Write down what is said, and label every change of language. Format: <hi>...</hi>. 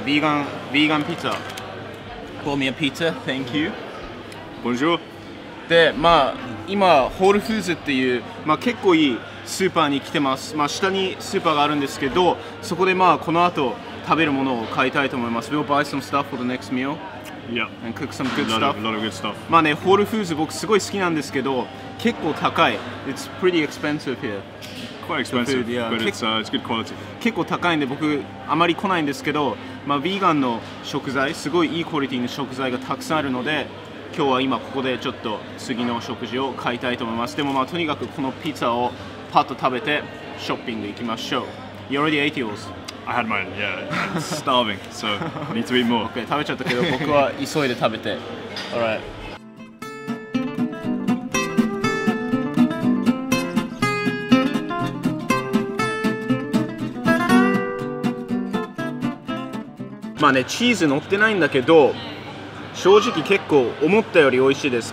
<en>ヴィーガンピザ。Call me a pizza. Thank you.</en> <fr>Bonjour.</fr> <ja>で、まあ今ホールフーズっていう、まあ、結構いいスーパーに来てます。まあ、下にスーパーがあるんですけど、そこでまあこの後食べるものを買いたいと思います。</ja> <en>We'll buy some stuff for the next meal. Yeah. And cook some good stuff. A lot of good stuff.</en> <ja>まあね、ホールフーズ僕すごい好きなんですけど、結構高い。</ja> <en>It's pretty expensive here. quite expensive, food, yeah. But it's good quality.</en> <ja>結構高いんで僕あまり来ないんですけど、まあ、ビーガンの食材、すごいいいクオリティの食材がたくさんあるので、今日は今ここでちょっと次の食事を買いたいと思います。でもまあとにかくこのピザをパッと食べてショッピング行きましょう。</ja> <en>You already ate yours? I had mine, yeah. I'm starving, so I need to eat more.</en> <ja>Okay, 食べちゃったけど僕は急いで食べて。</ja> <en>All right.</en> <ja>まあね、チーズ乗ってないんだけど正直結構思ったより美味しいです。</ja>